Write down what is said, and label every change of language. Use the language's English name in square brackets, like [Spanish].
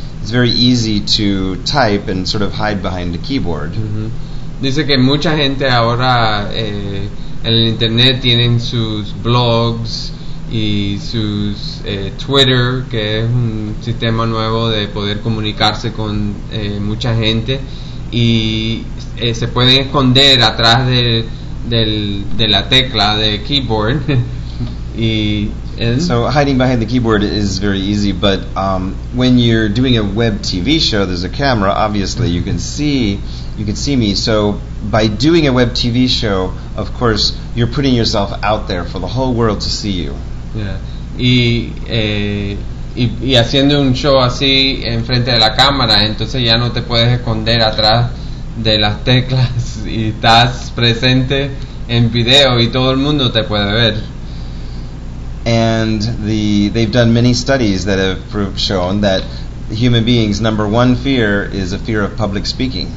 [English] It's very easy to type and sort of hide behind a keyboard. Mm-hmm. [Spanish] Dice que mucha gente ahora en el internet tienen sus blogs y sus Twitter, que es un sistema nuevo de poder comunicarse con mucha gente, y se pueden esconder atrás de la tecla de keyboard. [English] So hiding behind the keyboard is very easy, but when you're doing a web TV show, there's a camera, obviously, mm-hmm. you can see me. So by doing a web TV show, of course, you're putting yourself out there for the whole world to see you. Yeah. [Spanish] Y haciendo un show así en frente de la cámara, entonces ya no te puedes esconder atrás de las teclas y estás presente en video y todo el mundo te puede ver. [English] And they've done many studies that have shown that human beings' number one fear is a fear of public speaking.